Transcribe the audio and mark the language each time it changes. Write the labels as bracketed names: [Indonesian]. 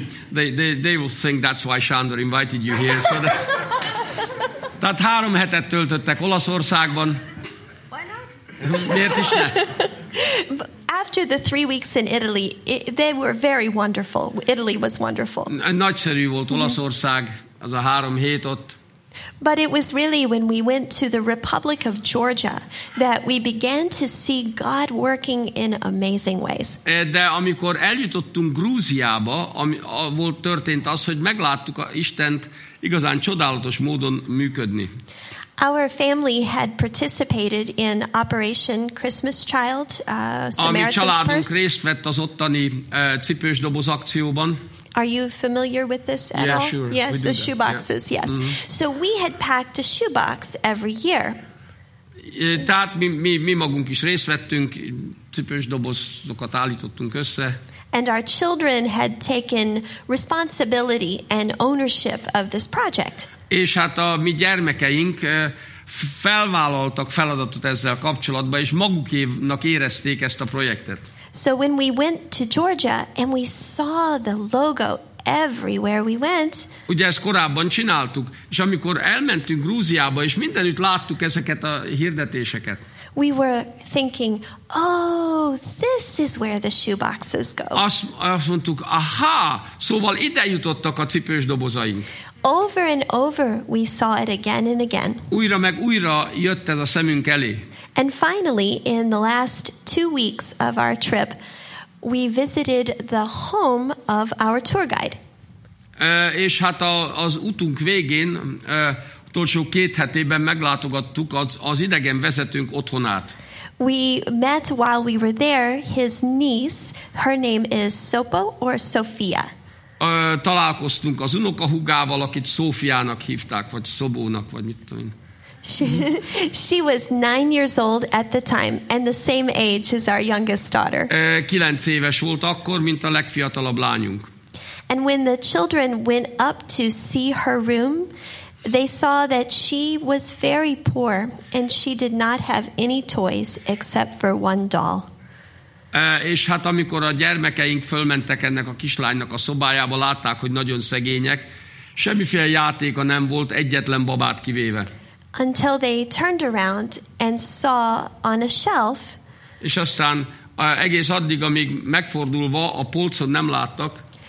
[English] they will think that's why Sándor invited you here. So that, [Hungarian] tehát 3 hetet töltöttek Olaszországban. [English] Why not? [Hungarian] Miért is ne? [English] After the 3 weeks in Italy, they were very wonderful. Italy was wonderful. [Hungarian] Nagyszerű volt Olaszország, az a 3 hét ott. [English] But it was really when we went to the Republic of Georgia that we began to see God working in amazing ways. [Hungarian] De amikor eljutottunk Grúziába, volt történt az, hogy megláttuk Istent igazán csodálatos módon működni. [English] Our family had participated in Operation Christmas Child, Samaritan's Purse. [Hungarian] A családunk részt vett az ottani cipős doboz akcióban. [English] Are you familiar with this at yeah, Yeah, sure. Yes, the shoeboxes, yeah. Yes. Mm-hmm. So we had packed a shoebox every year. [Hungarian] Tehát mi magunk is részt vettünk, cipős dobozokat állítottunk össze. [English] And our children had taken responsibility and ownership of this project. [Hungarian] És hát a mi gyermekeink felvállaltak feladatot ezzel kapcsolatban, és maguknak érezték ezt a projektet. [English] So when we went to Georgia and we saw the logo everywhere we went. [Hungarian] Ugye ezt korábban csináltuk, és amikor elmentünk Grúziába, és mindenütt láttuk ezeket a hirdetéseket. [English] We were thinking, oh, this is where the shoeboxes go. [Hungarian] Azt mondtuk, aha, szóval ide jutottak a cipős dobozaink. [English] Over and over we saw it again and again. [Hungarian] Újra meg újra jött ez a szemünk elé. [English] And finally, in the last 2 weeks of our trip, we visited the home of our tour guide. [Hungarian] És hát az utunk végén, utolsó két hetében meglátogattuk az idegen vezetőnk otthonát. [English] We met while we were there his niece, her name is Sopo or Sophia. [Hungarian] Találkoztunk az unokahúgával, akit Sofiának hívták, vagy Szobónak, vagy mit tudom én. [English] She was 9 years old at the time and the same age as our youngest daughter. [Hungarian] 9 éves volt akkor, mint a legfiatalabb lányunk. [English] And when the children went up to see her room, they saw that she was very poor and she did not have any toys except for one doll. [Hungarian] És hát amikor a gyermekeink fölmentek ennek a kislánynak a szobájába, látták, hogy nagyon szegények, semmiféle játéka nem volt, egyetlen babát kivéve. [English] Until they turned around and saw on a shelf. [Hungarian] És aztán egész addig, amíg megfordulva a polcon nem láttak.